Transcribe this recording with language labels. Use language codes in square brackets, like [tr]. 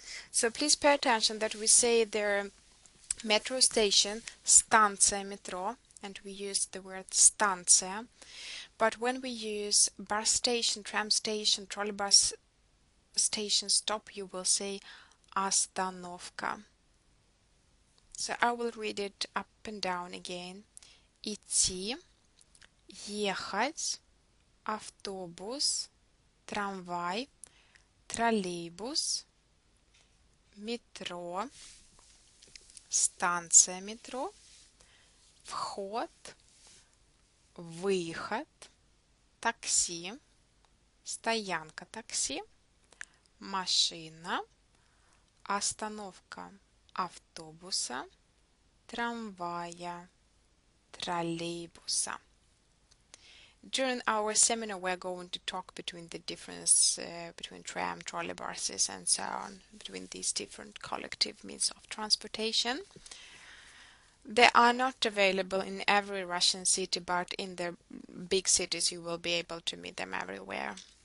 [en] So please pay attention that we say the metro station, [ru] станция метро, [en] and we use the word станция. But when we use bus station, tram station, trolleybus station stop, you will say остановка. So I will read it up and down again. [ru] Идти, ехать, автобус, трамвай, троллейбус, метро, станция метро, вход, выход, такси, стоянка такси, машина, остановка автобуса, трамвая, троллейбуса. [en] During our seminar we are going to talk between the difference between tram, trolleybuses and so on, between these different collective means of transportation. They are not available in every Russian city, but in the big cities you will be able to meet them everywhere.